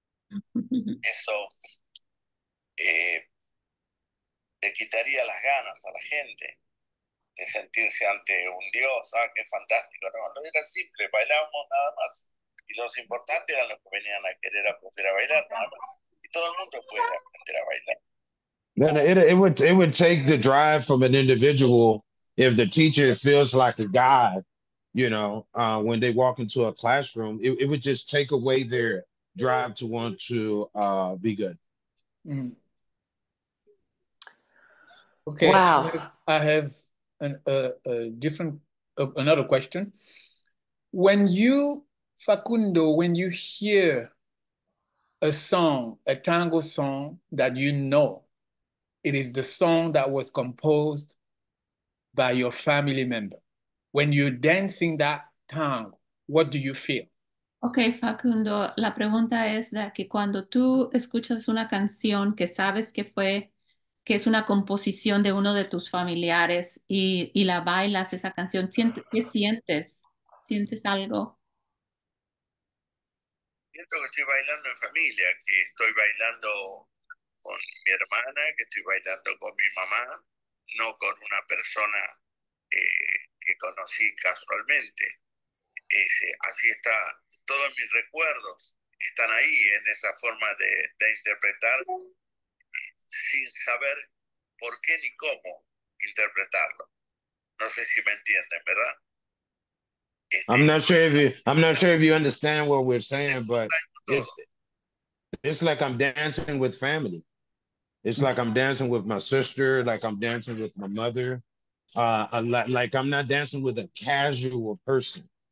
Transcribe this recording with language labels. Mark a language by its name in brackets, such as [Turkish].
[Spanish] Eso le quitaría las ganas a la gente de sentirse ante un dios, ah, qué fantástico, no, no era simple, bailábamos nada más, y los importantes eran los que venían a querer aprender a bailar nada más, y todo el mundo puede aprender a bailar. [English] It would take the drive from an individual if the teacher feels like a god, you know, when they walk into a classroom, it would just take away their drive to want to be good. Okay. Wow. I have another question. When you, Facundo, when you hear a song, a tango song that you know, it is the song that was composed by your family member. When you're dancing that tango, what do you feel? [Spanish] Okay, Facundo, la pregunta es de que cuando tú escuchas una canción que sabes que fue, que es una composición de uno de tus familiares y la bailas esa canción, ¿qué sientes? ¿Sientes algo? Siento que estoy bailando en familia, que estoy bailando con mi hermana, que estoy bailando con mi mamá, no con una persona que conocí casualmente. Así está, todos mis recuerdos están ahí en esa forma de interpretar sin saber por qué ni cómo interpretarlo. No sé si me entienden, ¿verdad? [English] I'm not sure if you understand what we're saying, but it's like I'm dancing with family. It's like I'm dancing with my sister, like I'm dancing with my mother. Like I'm not dancing with a casual person.